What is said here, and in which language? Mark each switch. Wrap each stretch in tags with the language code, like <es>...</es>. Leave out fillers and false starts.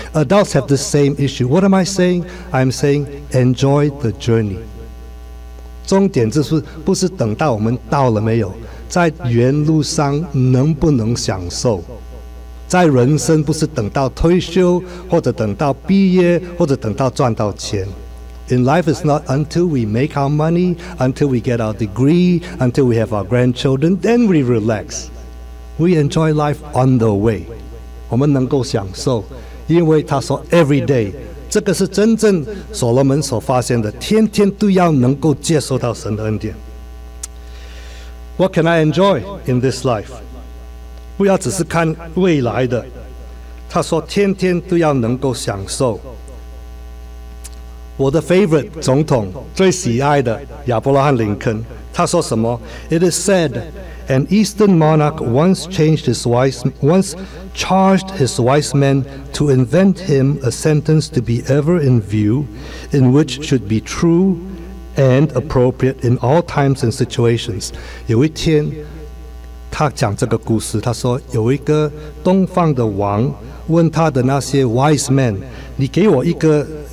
<en>Adults have the same issue. What am I saying? I'm saying enjoy the journey.</en> <zh>终点就是不是等到我们到了没有，在原路上能不能享受？在人生不是等到退休，或者等到毕业，或者等到赚到钱。</zh> <en>In life, it's not until we make our money, until we get our degree, until we have our grandchildren, then we relax. We enjoy life on the way.</en> <zh>我们能够享受，因为他说</zh> <en>every day，</en> <zh>这个是真正所罗门所发现的，天天都要能够接受到神的恩典。</zh> <en>What can I enjoy in this life？</en> <zh>不要只是看未来的。他说天天都要能够享受。我的 favorite 总统最喜爱的亚伯拉罕林肯，他说什么</zh> <en>？It is said an Eastern monarch once charged his wise men to invent him a sentence to be ever in view, in which should be true and appropriate in all times and situations.</en> <zh>有一天，他讲这个故事，他说有一个东方的王问他的那些</zh> <en>wise men，</en> <zh>你给我一个。</zh>